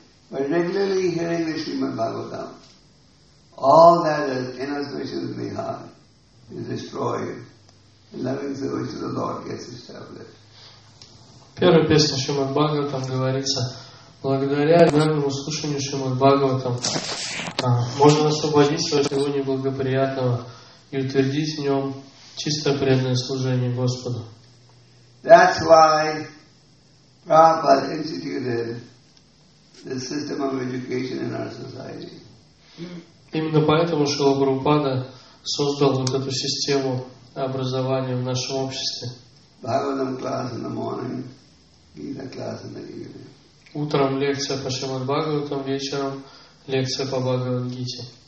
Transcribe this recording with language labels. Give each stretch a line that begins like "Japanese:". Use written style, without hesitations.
English: But regularly hearing the Shrimad Bhagavatam, all that is inauspicious in the heart is destroyed. The loving service of the Lord gets established.
Russian: Первая песня Шримад Бхагаватам говорится: благодаря одному слушанию Шримад Бхагаватам можно освободить свое тело неблагоприятного и утвердить в нем чистое преданное служение Господу.
English: That's why Prabhupada instituted the system of education in our society.
Russian: Именно поэтому Шрила Прабхупада создал вот эту систему образования в нашем обществе.
English: Bhagavatam class in the morning, Gita class in the evening.
Russian: Утром лекция по Шримад Бхагаватам, вечером лекция по Бхагавад Гите.